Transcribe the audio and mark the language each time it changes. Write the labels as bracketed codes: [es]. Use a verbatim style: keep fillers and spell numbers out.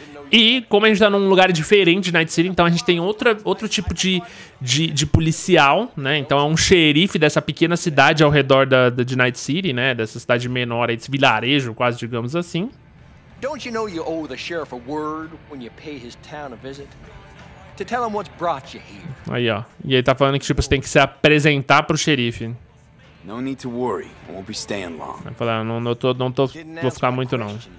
[pt] E como a gente tá num lugar diferente de Night City, então a gente tem outra, outro tipo de, de, de policial, né? Então é um xerife dessa pequena cidade ao redor da, da, de Night City, né? Dessa cidade menor aí, desse vilarejo, quase, digamos assim. [en] Don't you know you owe the sheriff a word when you pay his town a visit? To tell him what's brought you here. [pt] Aí, ó. E ele tá falando que, tipo, você tem que se apresentar pro xerife. [en] No need to worry. I won't be staying long. [pt] Vai falar, não, não, tô, não tô, vou ficar muito não.